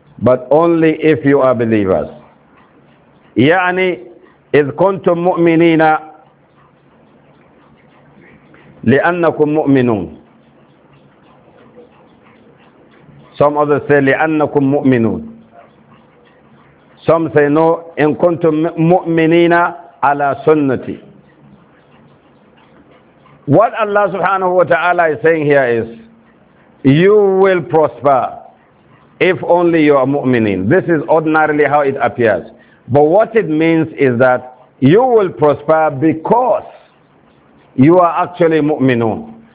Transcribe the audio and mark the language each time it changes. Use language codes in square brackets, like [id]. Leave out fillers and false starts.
[en] But only if you are believers. [ar] يعني إِذْ كُنْتُم مُؤْمِنِينَ لِأَنَّكُم مُؤْمِنُونَ. [en] Some others say لِأَنَّكُم مُؤْمِنُونَ. [ar] Some say no, إِن كُنْتُم مُؤْمِنِينَ عَلَى سُنَّتِي. [en] What Allah subhanahu wa ta'ala is saying here is, you will prosper if only you are mu'minin. This is ordinarily how it appears. But what it means is that you will prosper because you are actually mu'minun.